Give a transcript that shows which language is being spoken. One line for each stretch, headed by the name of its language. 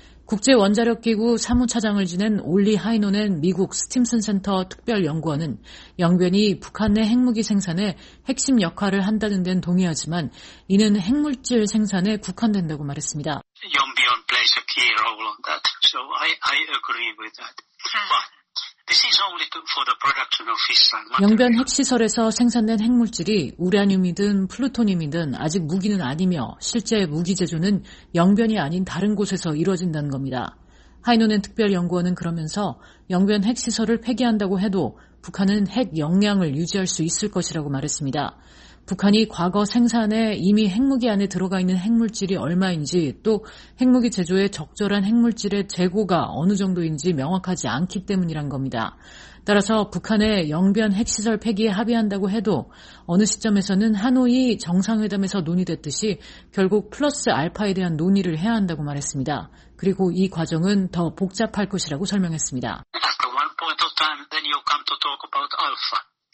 Korean: 국제원자력기구 사무차장을 지낸 올리 하이노넨 미국 스팀슨센터 특별연구원은 영변이 북한 내 핵무기 생산에 핵심 역할을 한다는 데는 동의하지만 이는 핵물질 생산에 국한된다고 말했습니다.
English: 영변 plays a key role on that. So I agree with that. But this is only for the production of fission.
Korean: 영변 핵시설에서 생산된 핵물질이 우라늄이든 플루토늄이든 아직 무기는 아니며 실제 무기 제조는 영변이 아닌 다른 곳에서 이루어진다는 겁니다. 하이노넨 특별연구원은 그러면서 영변 핵시설을 폐기한다고 해도 북한은 핵 역량을 유지할 수 있을 것이라고 말했습니다. 북한이 과거 생산에 이미 핵무기 안에 들어가 있는 핵물질이 얼마인지 또 핵무기 제조에 적절한 핵물질의 재고가 어느 정도인지 명확하지 않기 때문이란 겁니다. 따라서 북한의 영변 핵시설 폐기에 합의한다고 해도 어느 시점에서는 하노이 정상회담에서 논의됐듯이 결국 플러스 알파에 대한 논의를 해야 한다고 말했습니다. 그리고 이 과정은 더 복잡할 것이라고 설명했습니다.
English: At one point of time, then you come to talk about alpha.